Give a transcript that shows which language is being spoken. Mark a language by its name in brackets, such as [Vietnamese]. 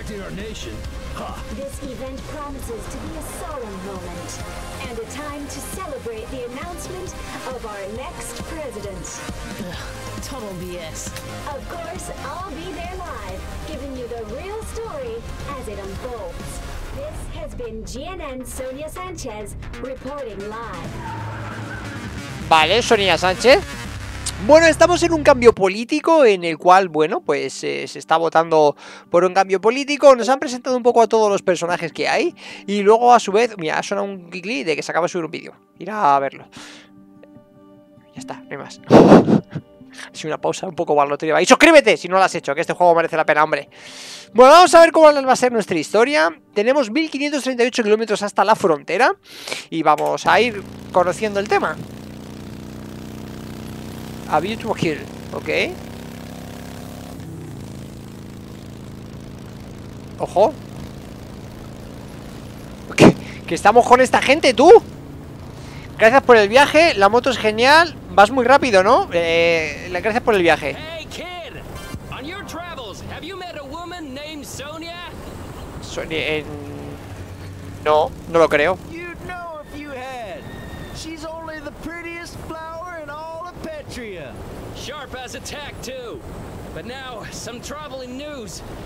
[English] This event promises to be a solemn moment and a time to celebrate the announcement of our next president. Ugh, total BS. Of course, I'll be there live, giving you the real story as it unfolds. This has been GNN Sonia Sanchez reporting live. [Spanish] Vale, Sonia Sanchez. Bueno, estamos en un cambio político en el cual, bueno, pues se está votando por un cambio político. Nos han presentado un poco a todos los personajes que hay. Y luego, a su vez, mira, ha sonado un clic de que se acaba de subir un vídeo. Ir a verlo. Ya está, no hay más. Ha sido una pausa un poco balotriba. Y suscríbete si no lo has hecho, que este juego merece la pena, hombre. Bueno, vamos a ver cómo va a ser nuestra historia. Tenemos 1538 kilómetros hasta la frontera. Y vamos a ir conociendo el tema. [English] A beautiful hill, ok. [Spanish] Ojo. ¿Qué estamos con esta gente, tú? gracias por el viaje, la moto es genial, vas muy rápido, ¿no? Gracias por el viaje. [English] Hey, kid, on your travels, have you met a woman named Sonia? [Spanish] Sonia, no, no lo creo. [English] You'd know if you had. She's only the prettiest flower in all of Petria. Sharp as a tack, too. But now, some traveling news.